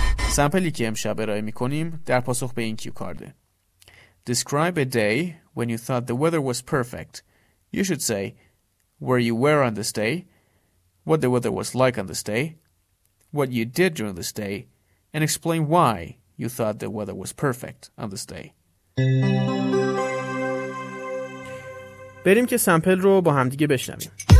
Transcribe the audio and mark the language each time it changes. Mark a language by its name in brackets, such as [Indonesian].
[Persian] سمپلی که امشب ارائه می‌کنیم در پاسخ به این کیو کارده. [English] Describe a day when you thought the weather was perfect. You should say where you were on this day, what the weather was like on this day, what you did during this day, and explain why you thought the weather was perfect on this day. [Persian] بریم که سمپل رو با هم دیگه بشنویم.